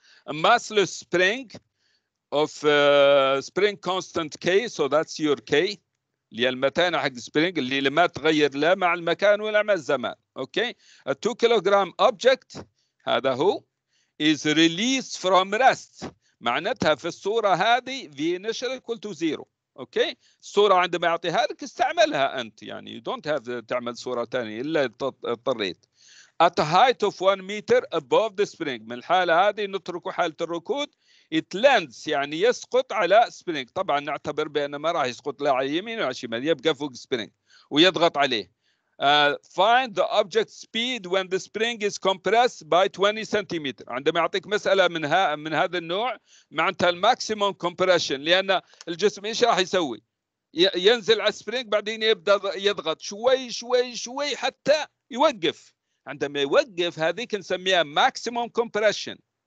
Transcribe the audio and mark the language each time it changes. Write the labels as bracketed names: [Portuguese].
[English] A massless spring of spring constant k, so that's your k. [Arabic] اللي المتانة حق spring اللي لما تغير لا مع المكان ولا مع الزمان. Okay. [English] A 2 kg object, [Arabic] هذا هو, [English] is released from rest. [Arabic] معناتها في الصورة هذه [English] v initial equal to zero. Okay. [Arabic] الصورة عندما يعطيها لك استعملها أنت. يعني [English] you don't have to [Arabic] تعمل صورة تانية إلا اضطريت. [English] At a height of 1 meter above the spring. [Arabic] من الحالة هذه نترك حالة الركود. [English] It lands [Arabic] يعني يسقط على spring. طبعا نعتبر بأن ما راح يسقط لا على يمين ولا على شمال، يبقى فوق spring ويضغط عليه. [English] Find the object speed when the spring is compressed by 20 centimeter. [Arabic] عندما يعطيك مسألة من هذا النوع معناتها الماكسيموم compression، لأن الجسم إيش راح يسوي؟ ينزل على spring بعدين يبدأ يضغط شوي شوي شوي حتى يوقف. عندما يوقف هذيك نسميها maximum compression.